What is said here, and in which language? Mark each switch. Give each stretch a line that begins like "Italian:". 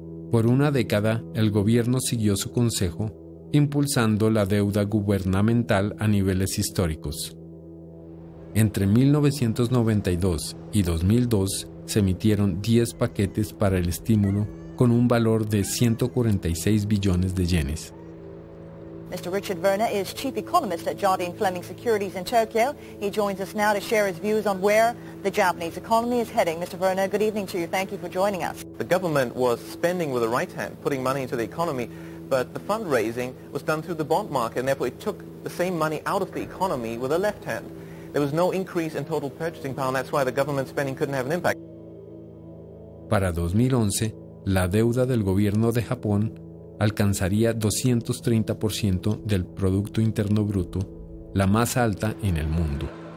Spanish: Por una década, el gobierno siguió su consejo, impulsando la deuda gubernamental a niveles históricos. Entre 1992 y 2002 se emitieron 10 paquetes para el estímulo con un valor de 146 billones de yenes.
English: Mr. Richard Werner is chief economist at Jardine Fleming Securities in Tokyo. He joins us now to share his views on where the Japanese economy is heading. Mr. Werner, good evening to you. Thank you for joining us. The government was spending with the right hand, putting money into the economy, but the fundraising was done through the bond market, and therefore it took the same money out of the economy with the left hand. There was no increase in total purchasing power, and that's why the government spending couldn't have an impact.
Spanish: Para 2011, la deuda del gobierno de Japón alcanzaría 230% del Producto Interno Bruto, la más alta en el mundo.